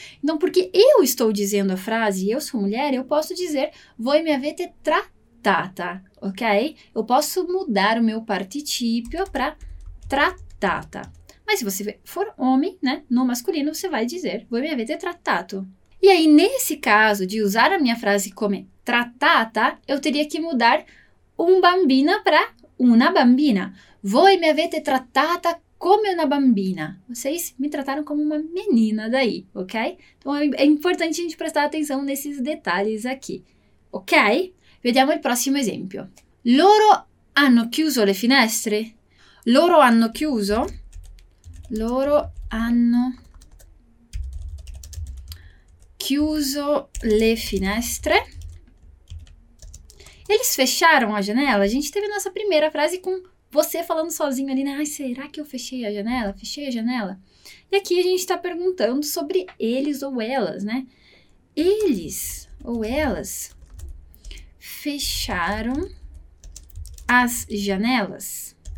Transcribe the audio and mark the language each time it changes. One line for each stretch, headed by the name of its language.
Portuguese: Então, porque eu estou dizendo a frase, eu sou mulher, eu posso dizer
Italian: voi mi avete trattata,
Portuguese: ok? Eu posso mudar o meu participio para trattata. Mas se você for homem, né, no masculino, você vai dizer:
Italian: "Vuoi mi avete trattato?".
Portuguese: E aí, nesse caso de usar a minha frase come trattata, eu teria que mudar un bambina para una bambina.
Italian: Voi mi avete trattata come una bambina.
Portuguese: Vocês me trataram como uma menina daí, ok? Então é importante a gente prestar atenção nesses detalhes aqui, ok?
Italian: Vediamo il prossimo esempio. Loro hanno chiuso le finestre? Loro hanno chiuso? Loro hanno chiuso le finestre?
Portuguese: Eles fecharam a janela? A gente teve nossa primeira frase com você falando sozinho ali, né? Ai, será que eu fechei a janela? Fechei a janela? E aqui a gente está perguntando sobre eles ou elas, né? Eles ou elas fecharam as janelas?